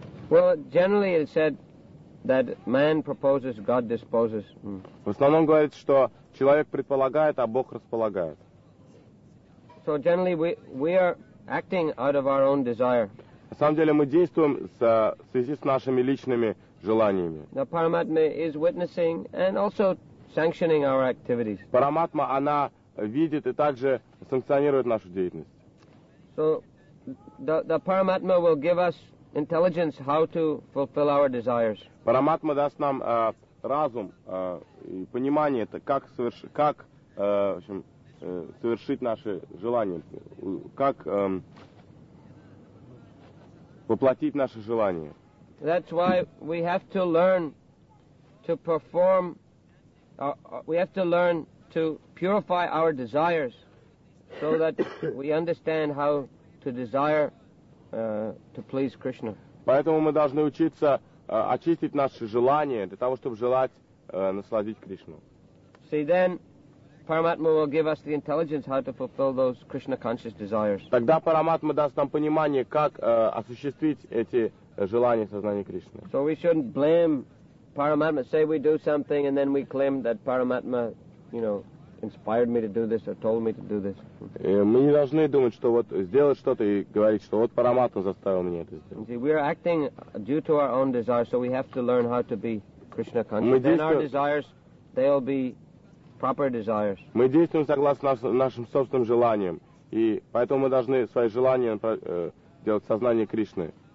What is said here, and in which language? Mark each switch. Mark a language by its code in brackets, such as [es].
[en] Well, generally it's said that man proposes, God disposes. [ru] В основном говорится, что Человек предполагает, а Бог располагает. [en] So generally we are acting out of our own desire. [ru] На самом деле мы действуем в связи с нашими личными желаниями. [en] The Paramatma is witnessing and also sanctioning our activities. [ru] Параматма, она видит и также санкционирует нашу деятельность. [en] So the Paramatma will give us intelligence how to fulfill our desires. [ru] Параматма даст нам разум и понимание, как совершить, как, в общем, совершить наши желания, как воплотить наши желания. [en] That's why we have to learn to perform. We have to learn to purify our desires, so that we understand how to desire to please Krishna. [ru] Поэтому мы должны учиться очистить наши желания для того, чтобы желать насладить Кришну. [en] See, then Paramatma will give us the intelligence how to fulfill those Krishna conscious desires. [ru] Тогда Параматма даст нам понимание, как осуществить эти желания сознания Кришны. [en] So we shouldn't blame Paramatma. Say we do something and then we claim that Paramatma, you know, inspired me to do this or told me to do this. [ru] Мы не должны думать, что вот сделать что-то и говорить, что вот Параматма заставил меня это сделать. [en] See, we are acting due to our own desire, so we have to learn how to be Krishna conscious. Then our desires, they will be proper desires. [ru] Мы действуем согласно нашим собственным желаниям, и поэтому мы должны свои желания делать в сознании Кришны.